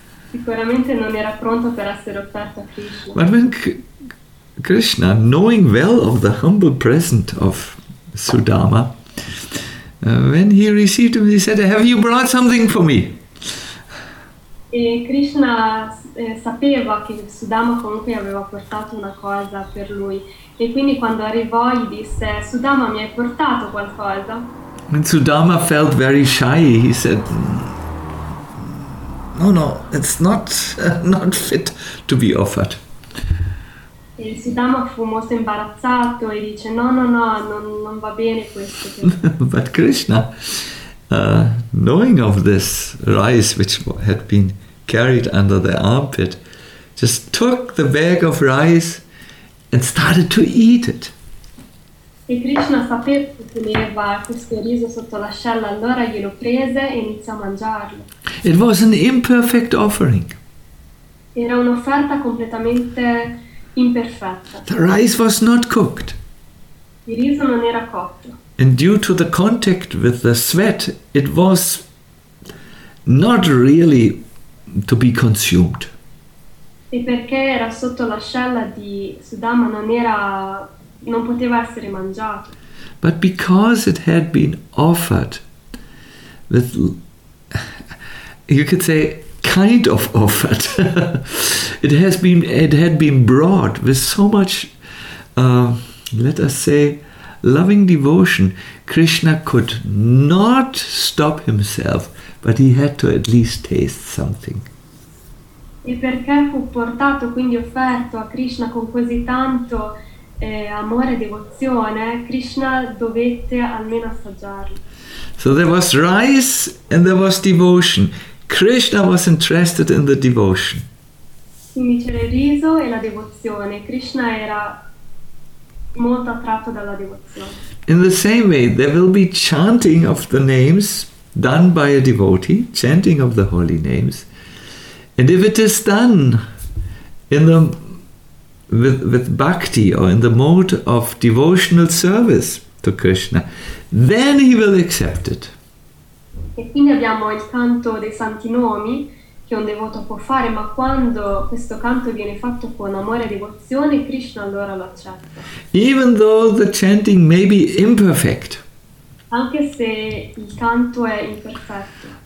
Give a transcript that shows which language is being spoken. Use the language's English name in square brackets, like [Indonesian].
[Italian] Sicuramente non era pronto per essere offerto a Krishna. [English] But when Krishna, knowing well of the humble present of Sudama, when he received him, he said, have you brought something for me? [Italian] E Krishna sapeva che Sudama comunque aveva portato una cosa per lui. E quindi quando arrivò gli disse, Sudama, mi hai portato qualcosa? [English] And Sudama felt very shy. He said, no, it's not fit to be offered. [Italian] E Sudama fu molto imbarazzato e dice, no, non va bene questo. [English] But Krishna, knowing of this rice which had been carried under the armpit, just took the bag of rice and started to eat it. [Italian] E Krishna sapeva come Eva questo riso sotto la scella, allora glielo prese e iniziò a mangiarlo. [English] It was an imperfect offering. [Italian] Era un'offerta completamente imperfetta. [English] The rice was not cooked. [Italian] Il riso non era cotto. [English] And due to the contact with the sweat, it was not really to be consumed. [Italian] E perché era sotto la scella di Sudama non era, non poteva essere mangiato. [English] But because it had been offered, with, you could say, kind of offered, it had been brought with so much, let us say, loving devotion, Krishna could not stop himself, but he had to at least taste something. [Italian] E perché fu portato, quindi offerto a Krishna con così tanto amore e devozione, Krishna dovette almeno assaggiarlo. [English] So there was rice and there was devotion. Krishna was interested in the devotion. [Italian] Quindi c'era il riso e la devozione. Krishna era molto attratto dalla devozione. [English] In the same way, there will be chanting of the names done by a devotee, chanting of the holy names. And if it is done in the with bhakti or in the mode of devotional service to Krishna, then he will accept it. [Italian] E quindi abbiamo il canto dei santi nomi che un devoto può fare, ma quando questo canto viene fatto con amore e devozione, Krishna allora lo accetta. [English] Even though the chanting may be imperfect. [Italian] Anche se il canto è imperfetto.